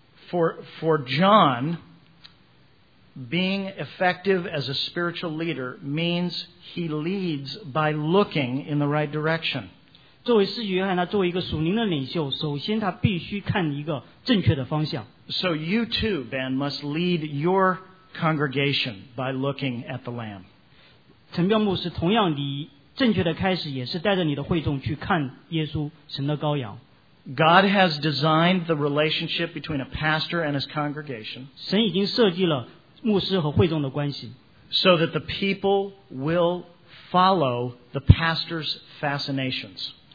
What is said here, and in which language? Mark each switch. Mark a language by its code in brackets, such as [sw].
[en] For John, being effective as a spiritual leader means he leads by looking in the right direction. [zh] 作为使徒约翰，他作为一个属灵的领袖，首先他必须看一个正确的方向。 [en] So you too, Ben, must lead your congregation by looking at the Lamb. [zh] 陈彪牧师，同样，你正确的开始也是带着你的会众去看耶稣，神的羔羊。 [en] God has designed the relationship between a pastor and his congregation [zh] 神已经设计了牧师和会众的关系, [en] so that the people will follow the pastor's fascinations.